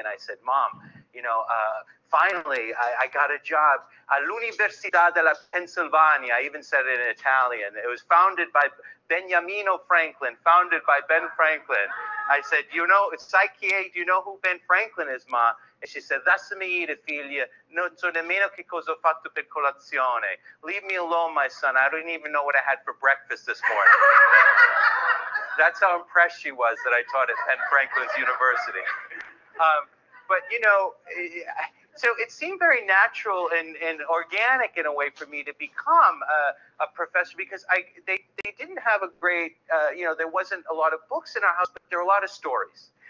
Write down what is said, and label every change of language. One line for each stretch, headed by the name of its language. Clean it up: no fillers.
English: And I said, Mom, you know, finally, I got a job
Italian: all'Università della Pennsylvania.
English: I even said it in Italian. It was founded by Beniamino Franklin, founded by Ben Franklin. I said, you know, Psyche, do you know who Ben Franklin is, Ma? And she said, that's me, figlia.
Italian: Non so nemmeno che cosa ho fatto per colazione.
English: Leave me alone, my son. I don't even know what I had for breakfast this morning. That's how impressed she was that I taught at Ben Franklin's University. But, you know, so it seemed very natural and organic in a way for me to become a professor, because they didn't have a great, you know, there wasn't a lot of books in our house, but there were a lot of stories.